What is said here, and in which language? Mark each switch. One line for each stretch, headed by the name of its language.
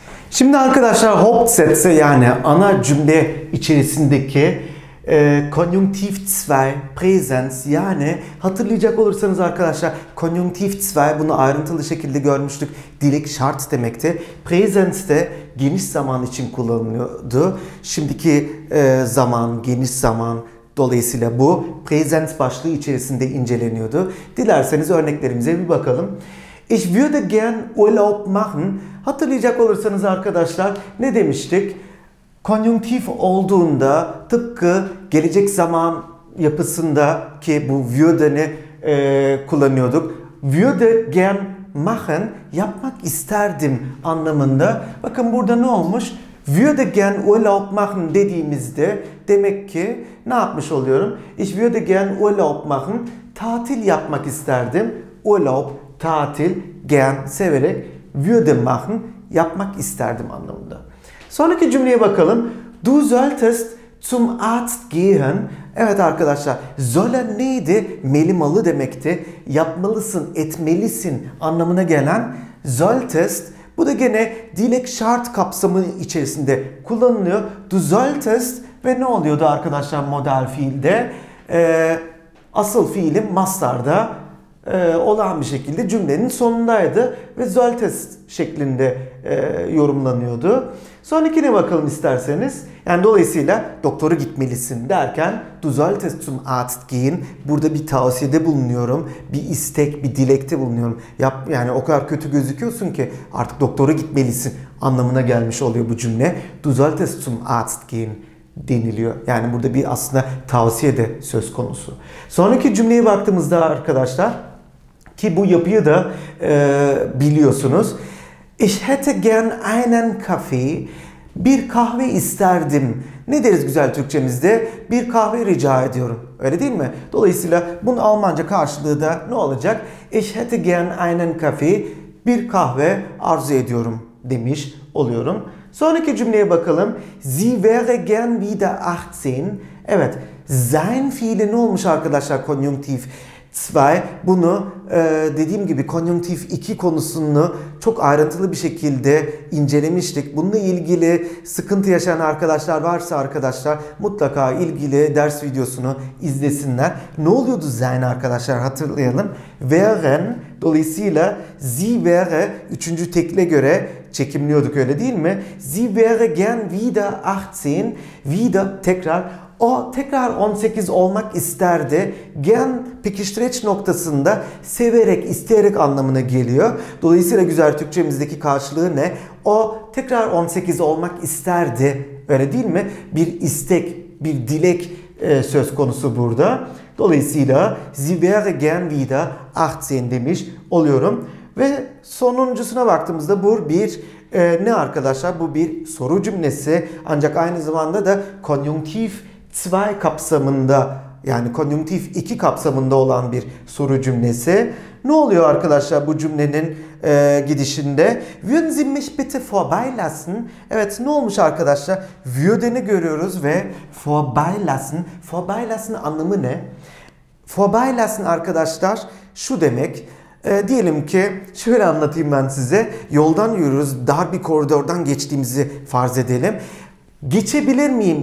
Turkish: Şimdi arkadaşlar Hauptsätze, yani ana cümle içerisindeki Konjunktiv 2 Präsens, yani hatırlayacak olursanız arkadaşlar Konjunktiv 2, bunu ayrıntılı şekilde görmüştük, dilek şart demekti. Präsens de geniş zaman için kullanılıyordu. Şimdiki zaman geniş zaman, dolayısıyla bu Präsens başlığı içerisinde inceleniyordu. Dilerseniz örneklerimize bir bakalım.
German: Ich würde gern Urlaub machen.
Turkish: Hatırlayacak olursanız arkadaşlar ne demiştik? Konjunktif olduğunda tıpkı gelecek zaman yapısında ki bu würde'ni kullanıyorduk. Würde gern machen, yapmak isterdim anlamında. Bakın burada ne olmuş? Würde gern Urlaub machen dediğimizde demek ki ne yapmış oluyorum?
German: Ich würde gern Urlaub machen,
Turkish: tatil yapmak isterdim. Urlaub, tatil, gern, severek, würde machen, yapmak isterdim anlamında. Sonraki cümleye bakalım.
German: Du solltest zum Arzt gehen.
Turkish: Evet arkadaşlar, sollen neydi? Melimalı demekti. Yapmalısın, etmelisin anlamına gelen solltest. Bu da gene dilek şart kapsamı içerisinde kullanılıyor. Du solltest ve ne oluyordu arkadaşlar modal fiilde? Asıl fiilin mastarda olağan bir şekilde cümlenin sonundaydı ve solltest şeklinde yorumlanıyordu. Sonrakine bakalım isterseniz. Yani dolayısıyla doktora gitmelisin derken
German: Du solltest zum Arzt gehen.
Turkish: Burada bir tavsiyede bulunuyorum. Bir istek, bir dilekte bulunuyorum. Yap, yani o kadar kötü gözüküyorsun ki artık doktora gitmelisin anlamına gelmiş oluyor bu cümle.
German: Du solltest zum Arzt gehen
Turkish: deniliyor. Yani burada bir aslında tavsiye de söz konusu. Sonraki cümleye baktığımızda arkadaşlar, ki bu yapıyı da biliyorsunuz.
German: Ich hätte gern einen Kaffee.
Turkish: Bir kahve isterdim. Ne deriz güzel Türkçemizde? Bir kahve rica ediyorum. Öyle değil mi? Dolayısıyla bunun Almanca karşılığı da ne olacak?
German: Ich hätte gern einen Kaffee.
Turkish: Bir kahve arzu ediyorum demiş oluyorum. Sonraki cümleye bakalım.
German: Sie wäre gern wieder 18.
Turkish: Evet. Sein fiili ne olmuş arkadaşlar konjunktif? Zwei bunu dediğim gibi konjonktif 2 konusunu çok ayrıntılı bir şekilde incelemiştik. Bununla ilgili sıkıntı yaşayan arkadaşlar varsa arkadaşlar mutlaka ilgili ders videosunu izlesinler. Ne oluyordu Zeyn arkadaşlar hatırlayalım. Wären dolayısıyla sie wäre 3. tekle göre çekimliyorduk öyle değil mi?
German: Sie wäre gern wieder 18, wieder tekrar.
Turkish: O tekrar 18 olmak isterdi. Gen pekiştireç noktasında severek, isteyerek anlamına geliyor. Dolayısıyla güzel Türkçemizdeki karşılığı ne? O tekrar 18 olmak isterdi. Öyle değil mi? Bir istek, bir dilek söz konusu burada. Dolayısıyla
German: Sie wäre gern wieder 18
Turkish: demiş oluyorum. Ve sonuncusuna baktığımızda bu bir ne arkadaşlar? Bu bir soru cümlesi. Ancak aynı zamanda da konjunktif 2 kapsamında yani konjunktif 2 kapsamında olan bir soru cümlesi. Ne oluyor arkadaşlar bu cümlenin gidişinde?
German: Würden Sie mich bitte vorbeilassen?
Turkish: Evet ne olmuş arkadaşlar? Würden'i görüyoruz ve vorbeilassen. Vorbeilassen anlamı ne? Vorbeilassen arkadaşlar şu demek. Diyelim ki şöyle anlatayım ben size. Yoldan yürüyoruz. Dar bir koridordan geçtiğimizi farz edelim. Geçebilir miyim?